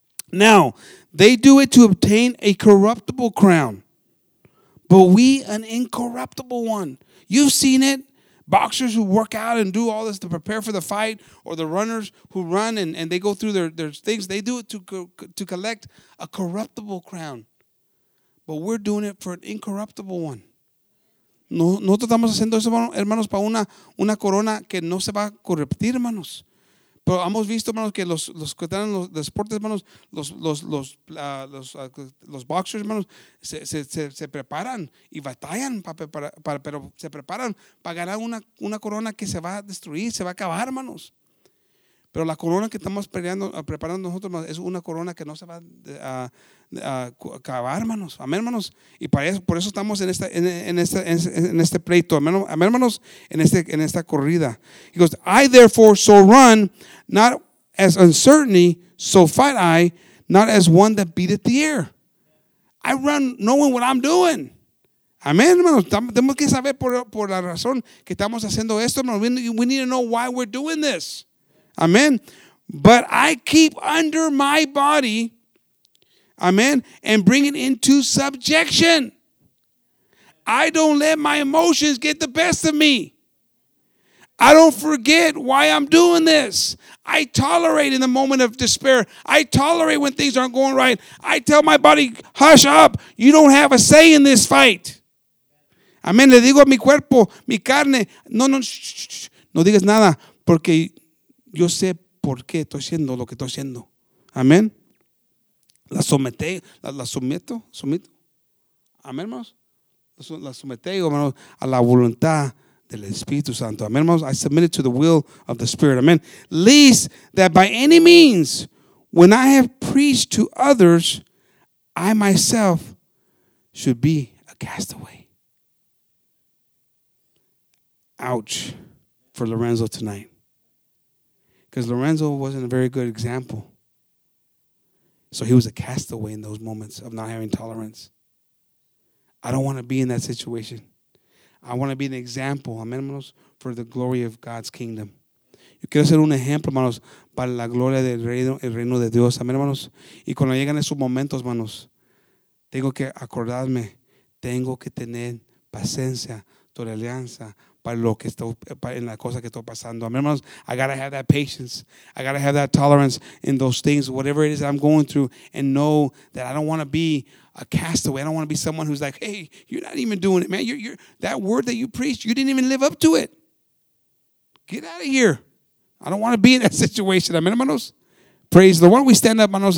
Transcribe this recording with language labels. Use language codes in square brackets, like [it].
[en] Now, they do it to obtain a corruptible crown, but we an incorruptible one. You've seen it. Boxers who work out and do all this to prepare for the fight, or the runners who run and they go through their things, they do it to collect a corruptible crown. But we're doing it for an incorruptible one. [es] Nosotros estamos haciendo eso, hermanos, para una corona que no se va a corruptir, hermanos. Pero hemos visto, hermanos, que los que están en los deportes, hermanos, los boxers, hermanos, se preparan y batallan, pero se preparan para ganar una corona que se va a destruir, se va a acabar, hermanos. Pero la corona que estamos preparando nosotros, hermanos, es una corona que no se va a acabar, hermanos. Amén, hermanos. Y por eso estamos en este pleito. Amén, hermanos, en esta corrida. [en] He goes, I therefore so run, not as uncertainty, so fight I, not as one that beateth the air. I run knowing what I'm doing. Amén, hermanos. [es] Tenemos que saber por la razón que estamos haciendo esto, hermanos. [en] We need to know why we're doing this. Amen. But I keep under my body, amen, and bring it into subjection. I don't let my emotions get the best of me. I don't forget why I'm doing this. I tolerate in the moment of despair. I tolerate when things aren't going right. I tell my body, hush up. You don't have a say in this fight. Amen. [es] Le digo a mi cuerpo, mi carne, no digas nada, porque yo sé por qué estoy haciendo lo que estoy haciendo. Amén. La someto. Amén, hermanos. La someto, hermanos, a la voluntad del Espíritu Santo. Amén, hermanos. [en] I submit it to the will of the Spirit. Amén. Least that by any means, when I have preached to others, I myself should be a castaway. Ouch for Lorenzo tonight. Because Lorenzo wasn't a very good example. So he was a castaway in those moments of not having tolerance. I don't want to be in that situation. I want to be an example, amen, hermanos, for the glory of God's kingdom. [es] Yo quiero ser un ejemplo, hermanos, para la gloria del reino, el reino de Dios, amen, hermanos. Y cuando llegan esos momentos, hermanos, tengo que acordarme, tengo que tener paciencia, tolerancia, para lo que estoy, para en la cosa que estoy pasando. [en] Amen, hermanos. I gotta have that patience. I gotta have that tolerance in those things, whatever it is that I'm going through, and know that I don't want to be a castaway. I don't want to be someone who's like, hey, you're not even doing it, man. You're that word that you preached, you didn't even live up to it. Get out of here. I don't want to be in that situation. Amen, hermanos. Praise the Lord. Why don't we stand up, hermanos?